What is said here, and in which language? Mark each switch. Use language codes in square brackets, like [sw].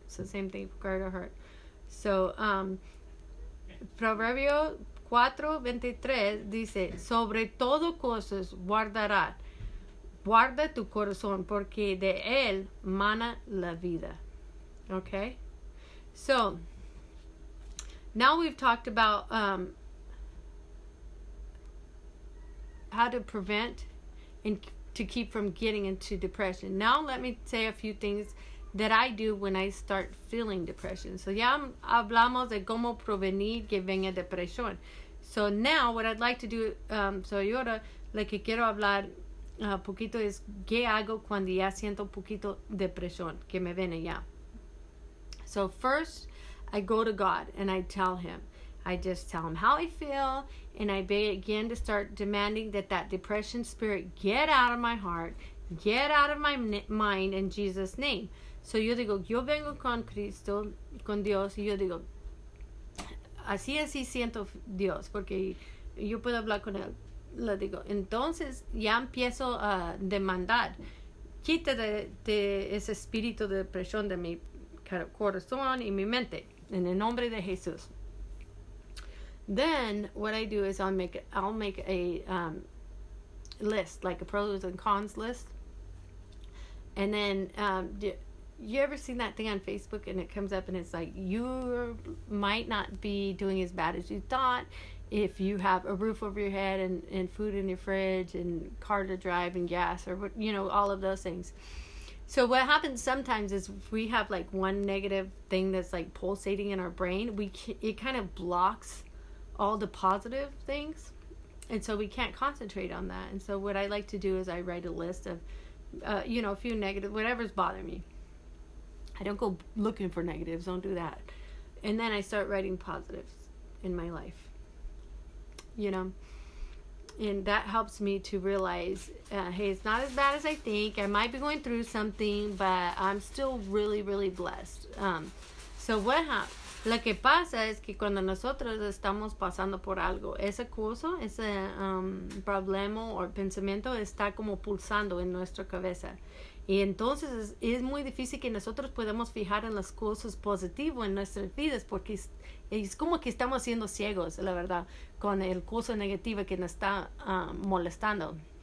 [en] So same thing, guard your heart. [es] So Proverbio 4:23 dice, sobre todo cosas guardarás, guarda tu corazón, porque de él mana la vida. Okay? So, now we've talked about how to prevent and to keep from getting into depression. Now let me say a few things that I do when I start feeling depression. So ya hablamos de cómo prevenir que venga depresión. [en] So now what I'd like to do, [es] so ahora lo que quiero hablar poquito es qué hago cuando ya siento poquito depresión que me viene ya. [en] So first, I go to God and I tell him. I just tell him how I feel, and I begin to start demanding that that depression spirit get out of my heart, get out of my mind in Jesus' name. [es] So yo digo, yo vengo con Cristo, con Dios, y yo digo, así así siento Dios, porque yo puedo hablar con él. Le digo, entonces ya empiezo a demandar, quita de ese espíritu de depresión de mi corazón y mi mente, en el nombre de Jesús. [en] Then what I do is I'll make a list, like a pros and cons list. And then you ever seen that thing on Facebook and it comes up and it's like, you might not be doing as bad as you thought if you have a roof over your head and food in your fridge and car to drive and gas, or you know, all of those things. So what happens sometimes is if we have like one negative thing that's like pulsating in our brain, it kind of blocks all the positive things, and so we can't concentrate on that. And so what I like to do is I write a list of you know, a few negative, whatever's bothering me. I don't go looking for negatives, don't do that. And then I start writing positives in my life, you know, and that helps me to realize, hey, it's not as bad as I think. I might be going through something, but I'm still really, really blessed. So what happens? [es] Lo que pasa es que cuando nosotros estamos pasando por algo, esa cosa, ese problema o pensamiento está como pulsando en nuestra cabeza. Y entonces es muy difícil que nosotros podamos fijar en las cosas positivas en nuestras vidas, porque es como que estamos siendo ciegos, la verdad, con el cosa negativa que nos está molestando.